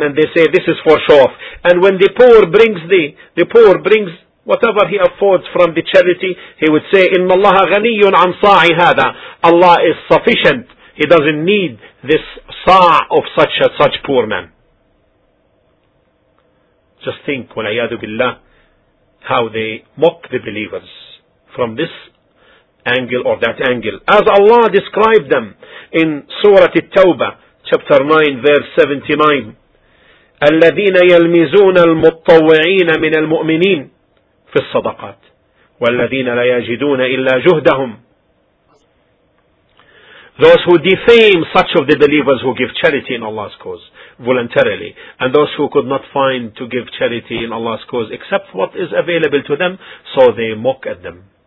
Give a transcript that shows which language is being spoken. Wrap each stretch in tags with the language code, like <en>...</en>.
<en>And they say, this is for show off. And when the poor brings the poor brings whatever he affords from the charity, he would say,</en> <ar>إِنَّ اللَّهَ غَنِيٌ عَنْ صَاعِ هَذَا.</ar> <en>Allah is sufficient. He doesn't need this sa' of such poor man. Just think, walayadu billah, how they mock the believers from this angle or that angle. As Allah described them in Surah At-Tawbah, chapter 9, verse 79,</en> <ar>الَّذِينَ يَلْمِزُونَ الْمُطَّوِّعِينَ مِنَ الْمُؤْمِنِينَ فِي الصَّدَقَاتِ وَالَّذِينَ لَا يَجِدُونَ إِلَّا جُهْدَهُمْ.</ar> <en>Those who defame such of the believers who give charity in Allah's cause voluntarily, and those who could not find to give charity in Allah's cause except what is available to them, so they mock at them.</en>